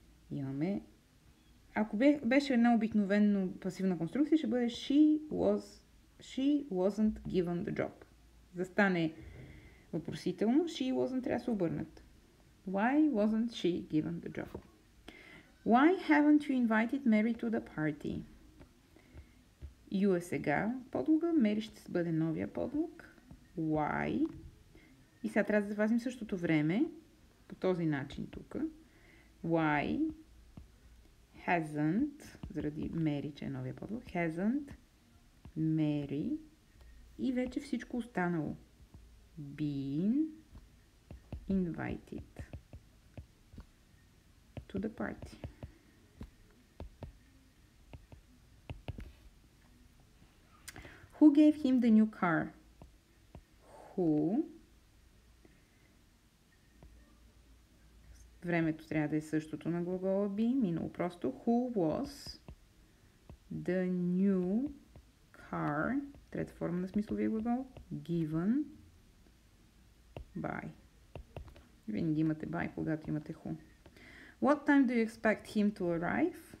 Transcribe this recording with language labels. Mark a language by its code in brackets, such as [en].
[bg] Имаме. Ако беше една обикновено пасивна конструкция, ще бъде [en] she wasn't given the job. [bg] Застане въпросително. [en] She wasn't [bg] трябва да се обърнат. [en] Why wasn't she given the job? Why haven't you invited Mary to the party? [bg] You е сега подлога. Mary ще бъде новия подлог. [en] Why? [bg] И сега трябва да запазим същото време. По този начин тук. [en] Why hasn't, [bg] заради Mary, че е новия подлог, [en] hasn't Mary [bg] и вече всичко останало. [en] Been invited to the party. Who gave him the new car? Who? [bg] Времето трябва да е същото на глагола be. Минало просто. [en] Who was the new car? [bg] Трета форма на смисловия глагол. [en] Given by. [bg] Винаги имате by, когато имате who. [en] What time do you expect him to arrive?